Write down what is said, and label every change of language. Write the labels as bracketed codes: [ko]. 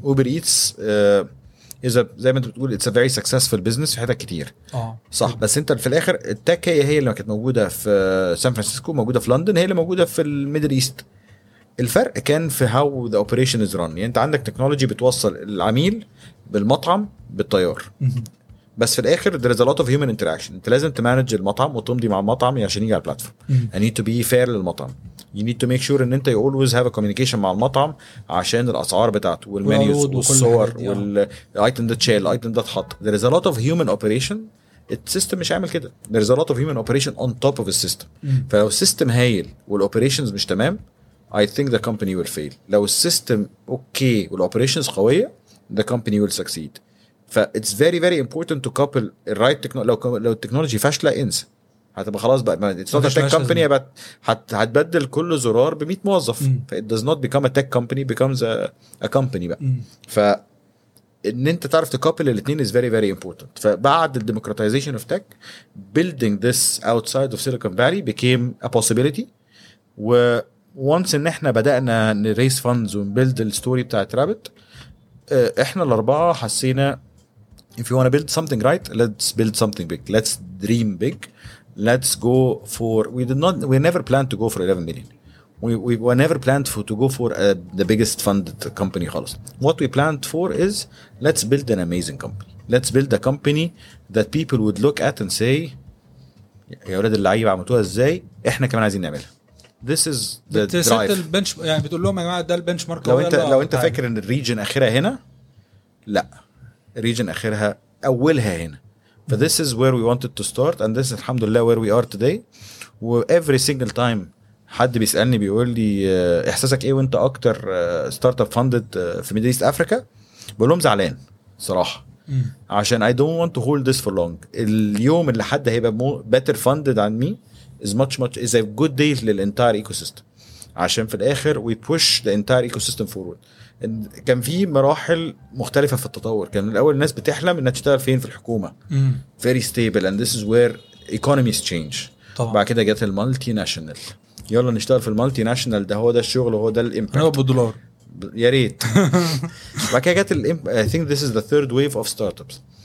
[ar] اوبر ايتس إذا زي ما انت بتقول [en] it's a very successful business [ar] في حتة كتير. صح. بس انت في الاخر التك هي اللي كانت موجودة في سان فرانسيسكو، موجودة في لندن، هي اللي موجودة في الميدل ايست. الفرق كان في [en] how the operation is run. [ar] يعني انت عندك تكنولوجي بتوصل العميل بالمطعم بالطيار. بس في الاخر [en] there is a lot of human interaction. [ar] انت لازم تمانج المطعم وتمضي مع المطعم عشان يجي على البلاتفورم. [en] I need to be fair للمطعم. You need to make sure [ar] ان انت [en] you always have a communication [ar] مع المطعم عشان الاسعار بتاعته والمنيوز والصور والايتم ده تشال الايتم ده اتحط. [en] There is a lot of human operation. The system [ar] مش عامل كده. [en] There is a lot of human operation on top of the system. [ar] فلو السيستم هايل والoperations مش تمام [en] I think the company will fail. [ar] لو السيستم اوكي والoperations قوية [en] the company will succeed. ف it's very very important to couple the right technology. [ar] لو التكنولوجي فاشلة انسى، هتبقى خلاص بقى [en] it's not a tech company. [ar] هتبدل كل زرار ب 100 موظف. [en] ف it does not become a tech company, becomes a company بقى. [ar] ف ان انت تعرف تكابل الاثنين [en] is very very important. فبعد the democratization of tech building this outside of Silicon Valley became a possibility. و once [ar] ان احنا بدأنا نريس [en] funds [ar] ونبيلد الستوري بتاعت رابت، احنا الاربعة حسينا [en] if you want to build something right let's build something big, let's dream big, let's go for we never planned to go for 11 million. We never planned for to go for the biggest funded company خالص. What we planned for is let's build an amazing company, let's build a company that people would look at and say [ar] يا ولاد اللعيبه عملتوها ازاي، احنا كمان عايزين نعملها. [en] This is the drive. [ar] البنش يعني بتقول لهم يا جماعه ده البنش مارك. لو انت فاكر ان الريجن اخرها هنا، لا الريجن اخرها اولها هنا. [en] But this is where we wanted to start and this is alhamdulillah where we are today. [ar] و [en] every single time [ar] حد بيسألني بيقول لي احساسك ايه وانت اكتر startup funded في Middle East Africa، بقول لهم زعلان صراحة. [en] عشان I don't want to hold this for long. [ar] اليوم اللي حد هيبقى [en] better funded عن me is much is a good day للentire ecosystem. [ar] عشان في الاخر [en] we push the entire ecosystem forward. [ar] كان في مراحل مختلفة في التطور. كان الأول الناس بتحلم إنها تشتغل فين، في الحكومة. [en] Very stable and this is where economies change. [ar] طبعا. بعد كده جت المالتي ناشنال، يلا نشتغل في المالتي ناشنال، ده هو ده الشغل وهو ده الإمباكت. أنا بالدولار ياريت. بعد كده جت [en] I think this is the third wave of startups.